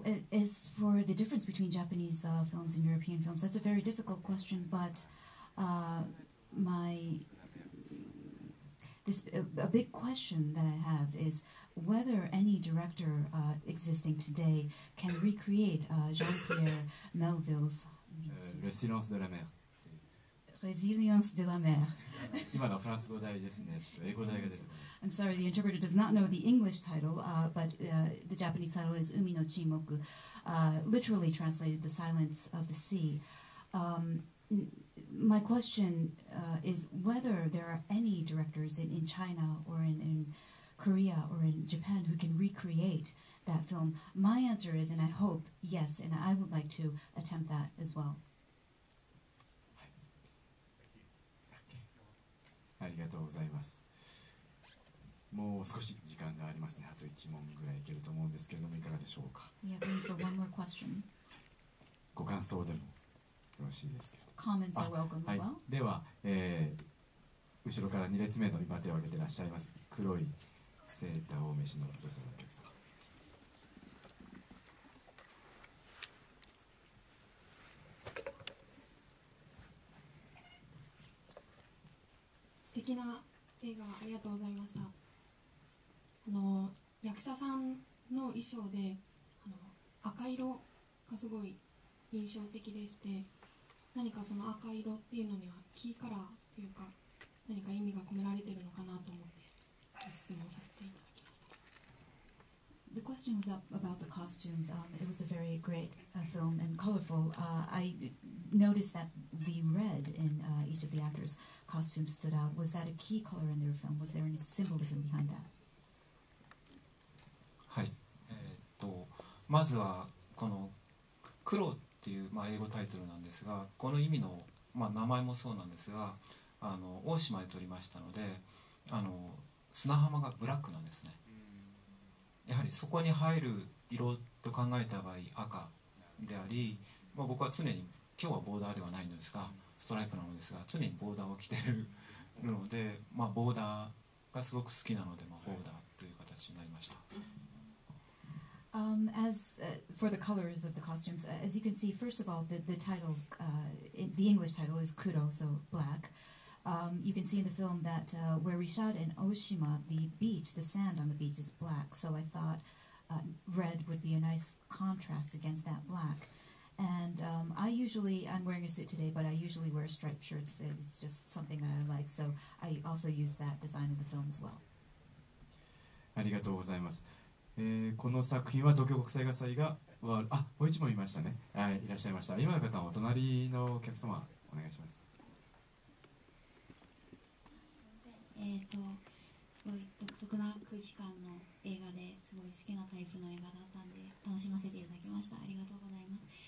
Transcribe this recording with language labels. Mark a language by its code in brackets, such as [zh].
[en] As for the difference between Japanese films and European films, that's a very difficult question, but a big question that I have is whether any director existing today can recreate Jean-Pierre Melville's [fr] Résilience de la mer. Résilience de la mer. [ja] 今のフランス語題ですね。ちょっと英語題が出てます。 [en] I'm sorry, the interpreter does not know the English title, but the Japanese title is 海の沈黙, literally translated the silence of the sea. My question is whether there are any directors in China or in Korea or in Japan who can recreate that film. My answer is, and I hope, yes, and I would like to attempt that as well. [ja] ありがとうございます。もう少し時間がありますね。あと一問ぐらいいけると思うんですけれども、いかがでしょうか。 [en] We have room for one more question. [ja] ご感想でもよろしいですけど。 [en] Comments are welcome as well. [ja] はい、では、後ろから2列目の今手を挙げていらっしゃいます黒いセーターをお召しの女性のお客様。素敵な映画ありがとうございました。役者さんの衣装で赤色がすごい印象的でして、何かその赤色っていうのにはキーカラーというか何か意味が込められているのかなと思ってご質問させていただきました。 [en] The question was about the costumes. It was a very great film and colorful. I noticed that the red in each of the actors' costumes stood out. Was that a key color in their film? Was there any symbolism behind that? [ja] はい、まずはこの黒っていう、まあ、英語タイトルなんですが、この意味の、まあ、名前もそうなんですが、大島で撮りましたので、砂浜がブラックなんですね。やはりそこに入る色と考えた場合赤であり、まあ、僕は常に今日はボーダーではないんですが、ストライプなのですが常にボーダーを着てるので、まあ、ボーダーがすごく好きなので、まあ、ボーダーという形になりました。 [en] As for the colors of the costumes, as you can see, first of all, the title, the English title is Kuro, so black. You can see in the film that where we shot in Oshima, the beach, the sand on the beach is black. So I thought red would be a nice contrast against that black. And I'm wearing a suit today, but I usually wear striped shirts. It's just something that I like. So I also use that design in the film as well. [ja] ありがとうございます。この作品は東京国際映画祭が、あ、もう一問いましたね。はい、いらっしゃいました。今の方はお隣のお客様、お願いします。すごい独特な空気感の映画で、すごい好きなタイプの映画だったんで、楽しませていただきました。ありがとうございます。